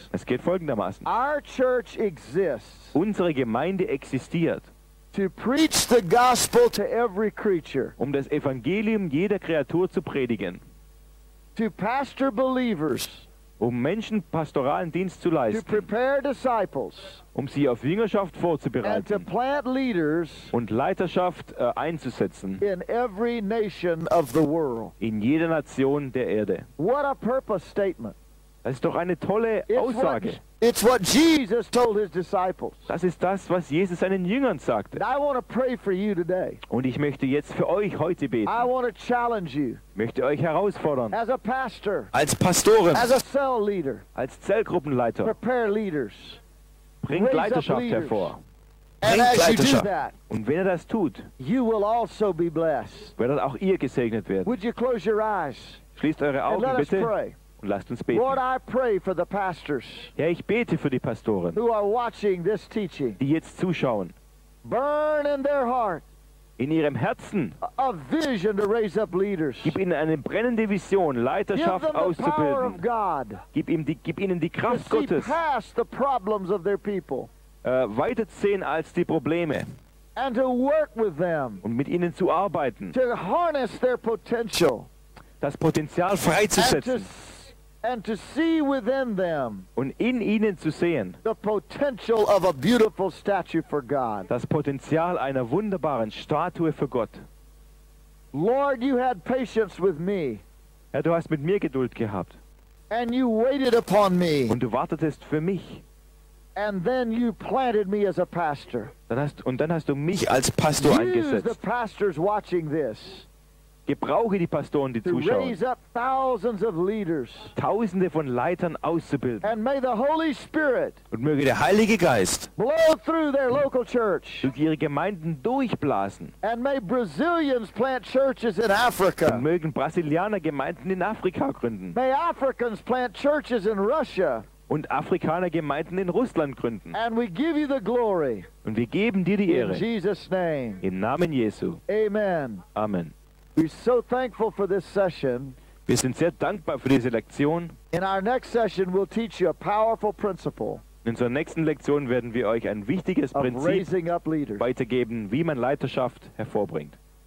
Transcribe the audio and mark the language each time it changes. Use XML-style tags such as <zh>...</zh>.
<de>Es geht folgendermaßen.</de> <en>Our church exists.</en> <de>Unsere Gemeinde existiert.</de> <en>To preach the gospel to every creature.</en> <de>Um das Evangelium jeder Kreatur zu predigen.</de> <en>To pastor believers.</en> <de>Um Menschen pastoralen Dienst zu leisten.</de> <en>To prepare disciples.</en> <de>Um sie auf Jüngerschaft vorzubereiten.</de> <en>And to plant leaders.</en> <de>Und Leiterschaft einzusetzen.</de> <en>In every nation of the world.</en> <de>In jeder Nation der Erde.</de> <en>What a purpose statement.</en> <de>Das ist doch eine tolle Aussage.</de> <en>It's what Jesus told his disciples.</en> <de>Das ist das, was Jesus seinen Jüngern sagte.</de> <en>And I want to pray for you today.</en> <de>Und ich möchte jetzt für euch heute beten.</de> <en>I want to challenge you.</en> <de>Möchte euch herausfordern.</de> <en>As a pastor.</en> <de>Als Pastorin.</de> <en>As a cell leader.</en> <de>Als Zellgruppenleiter.</de> <en>Prepare leaders.</en> <de>Bringt Leiterschaft hervor.</de> <en>And as you do that,</en> <de>und wenn das tut,</de> <en>you will also be blessed.</en> <de>Werdet auch ihr gesegnet werden.</de> <en>Would you close your eyes?</en> <de>Schließt eure Augen</de> <en>and let</en> <de>bitte.</de> <en>Us pray.</en> <de>Und lasst uns beten.</de> <en>Lord, I pray for the pastors,</en> <de>ja, ich bete für die Pastoren,</de> <en>who are watching this teaching,</en> <de>die jetzt zuschauen.</de> <en>Burn in their heart,</en> <de>in ihrem Herzen.</de> <en>A vision to raise up leaders.</en> <de>Gib ihnen eine brennende Vision, Leiterschaft</de> <en>give them</en> <de>auszubilden.</de> <en>The power of God,</en> <de>gib ihnen die Kraft Gottes.</de> <en>See past the problems of their people,</en> <de>weiter sehen als die Probleme.</de> <en>And to work with them,</en> <de>und mit ihnen zu arbeiten.</de> <en>To harness their potential,</en> <de>das Potenzial freizusetzen.</de> <en>And to see within them</en> <de>und in ihnen zu sehen</de> <en>the potential of a beautiful statue for God.</en> <de>Das Potenzial einer wunderbaren Statue für Gott.</de> <en>Lord, you had patience with me.</en> <de>Herr, du hast mit mir Geduld gehabt.</de> <en>And you waited upon me.</en> <de>Und du wartetest für mich.</de> <en>And then you planted me as a pastor.</en> <de>Dann hast du mich als Pastor eingesetzt.</de> <en>Use the pastors watching this.</en> <de>Gebrauche die Pastoren, die zuschauen. Tausende von Leitern auszubilden.</de> <en>And may the Holy Spirit</en> <de>und möge der Heilige Geist</de> <en>blow through their local church</en> <de>durch ihre Gemeinden durchblasen.</de> <en>And may Brazilians plant churches in Africa.</en> <de>Und mögen Brasilianer Gemeinden in Afrika gründen.</de> <en>May Africans plant churches in Russia.</en> <de>Und Afrikaner Gemeinden in Russland gründen.</de> <en>And we give you the glory</en> <de>und wir geben dir die Ehre.</de> <en>In Jesus' name.</en> <de>Im Namen Jesu.</de> <en>Amen.</en> <de>Amen.</de> <en>We're so thankful for this session.</en> <de>Wir sind sehr dankbar für diese Lektion.</de> <en>In our next session, we'll teach you a powerful principle.</en> <de>In unserer nächsten Lektion werden wir euch ein wichtiges Prinzip weitergeben, wie man Leiterschaft hervorbringt.</de>